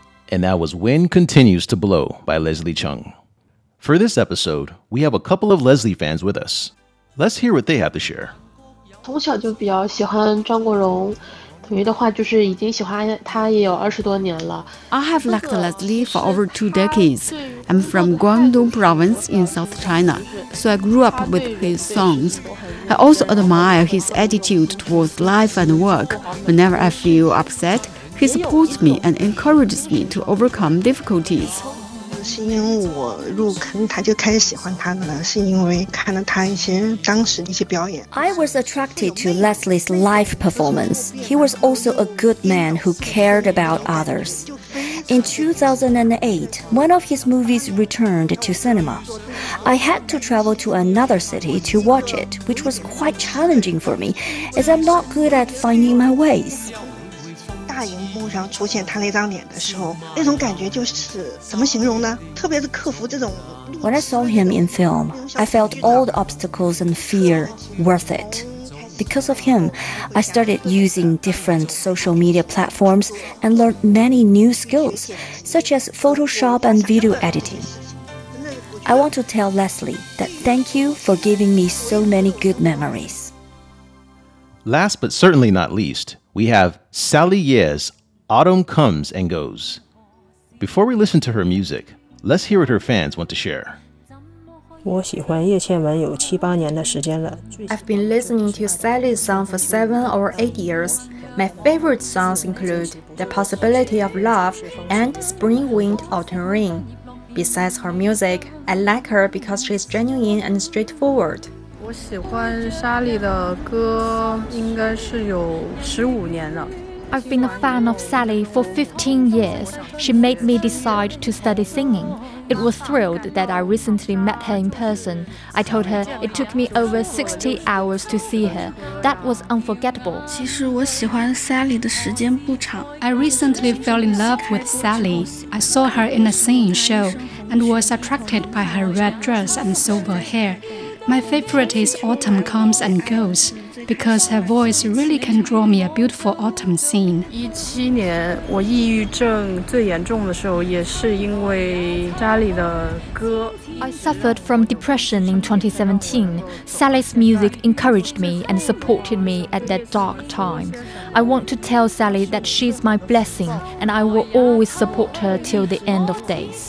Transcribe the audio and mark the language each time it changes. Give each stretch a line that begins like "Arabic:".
English: And that was Wind Continues to Blow by Leslie Cheung. For this episode, we have a couple of Leslie fans with us. Let's hear what they have to share.
Chinese: 从小就比较喜欢张国荣，等于的话就是已经喜欢他也有二十多年了。
English: I have liked Leslie for over two decades. I'm from Guangdong province in South China, so I grew up with his songs. I also admire his attitude towards life and work. Whenever I feel upset,He supports me and encourages me to overcome difficulties.
Chinese: 是因为我入坑他就开始喜欢他了，是因为看了他一些当时的一些表演。
English: I was attracted to Leslie's live performance. He was also a good man who cared about others. In 2008, one of his movies returned to cinema. I had to travel to another city to watch it, which was quite challenging for me, as I'm not good at finding my ways.
Chinese: 大荧幕上出现他那张脸的时候，那种感觉就是怎么形容呢？特别是克服这种。
English: When I saw him in film, I felt all the obstacles and fear worth it. Because of him, I started using different social media platforms and learned many new skills, such as Photoshop and video editing. I want to tell Leslie that thank you for giving me so many good memories. Last but certainly not least. We have Sally Ye's Autumn Comes and Goes. Before we listen to her music, let's hear what her fans want to share.
Chinese: 我喜欢叶倩文有七八年的时间了。
English: I've been listening to Sally's song for 7 or 8 years. My favorite songs include The Possibility of Love and Spring Wind, Autumn Rain. Besides her music, I like her because she's genuine and straightforward.
Chinese: 我喜欢莎莉的歌应该是有15年了。
English: I've been a fan of Sally for 15 years. She made me decide to study singing. It was thrilled that I recently met her in person. I told her it took me over 60 hours to see her. That was unforgettable.
Chinese: 其实我喜欢 Sally 的时间不长。
English: I recently fell in love with Sally. I saw her in a singing show and was attracted by her red dress and silver hair. My favorite is Autumn Comes and Goes, because her voice really can draw me a beautiful autumn scene.
Chinese: 17年我抑郁症最严重的时候也是因为莎莉的歌。
English: I suffered from depression in 2017. Sally's music encouraged me and supported me at that dark time. I want to tell Sally that she's my blessing and I will always support her till the end of days.